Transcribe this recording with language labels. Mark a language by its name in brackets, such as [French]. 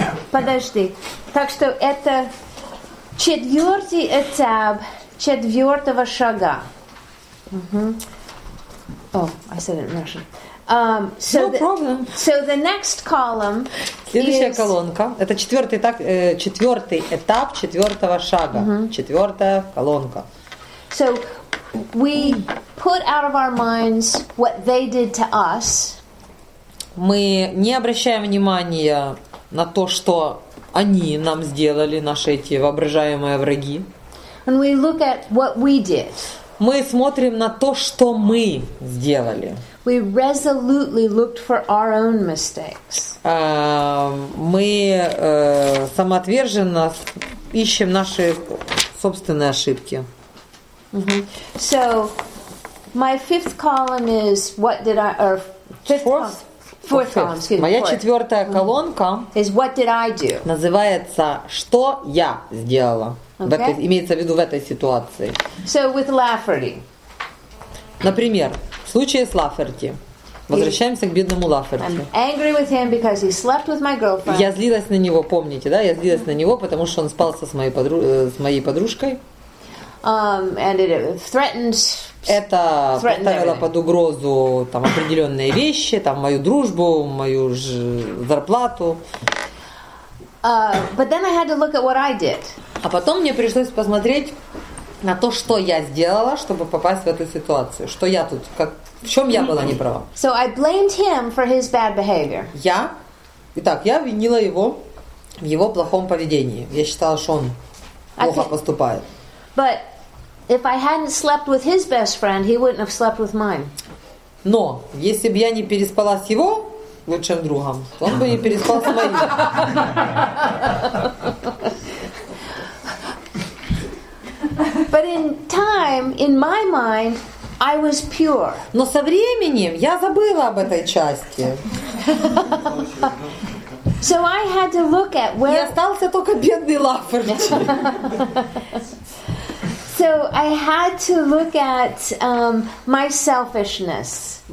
[Russian] Подожди. Так что это четвертый этап четвертого шага. [English] Oh, I said it in Russian. So the next column. [Russian] Следующая колонка. Это четвертый этап четвертого шага. Четвертая колонка. [English] So we put out of our minds what they did to us. [Russian] Мы не обращаем внимания на то, что они нам сделали, наши эти воображаемые враги. [English] And we look at what we did. [Russian] Мы смотрим на то, что мы сделали. [English] We resolutely looked for our own mistakes. [Russian] Мы самоотверженно ищем наши собственные ошибки. [English] Mm-hmm. So my fifth column is what did I or fourth column. [Russian] Моя четвертая колонка [English] is what did I do? [Russian] Называется что я сделала. [English] Okay. [Russian] Имеется в виду в этой ситуации. [English] So with Lafferty. [Russian] Например, в случае с Лафферти. Возвращаемся к бедному Лафферти. [English] I'm angry with him because he slept with my girlfriend. [Russian] Я злилась на него, помните, да? Я злилась на него, потому что он спал с моей подружкой. [English] And it threatened. [Russian] Это поставило под угрозу там определенные вещи, там мою дружбу, мою зарплату. [English] But then I had to look at what I did. [Russian] А потом мне пришлось посмотреть на то, что я сделала, чтобы попасть в эту ситуацию. Что я тут, как, в чем я была неправа. [English] So I blamed him for his bad behavior. [Russian] Я винила его в его плохом поведении. Я считала, что он плохо поступает. [English] But if I hadn't slept with his best friend, he wouldn't have slept with mine. [Russian] Но если бы я не переспала с его лучшим другом, то он бы не переспал с моим. [English] But in time, in my mind, I was pure. [Russian] Но со временем я забыла об этой части. [English] So I had to look at where. [Russian] И остался только бедный Лафферти. [English] So I had to look at my selfishness.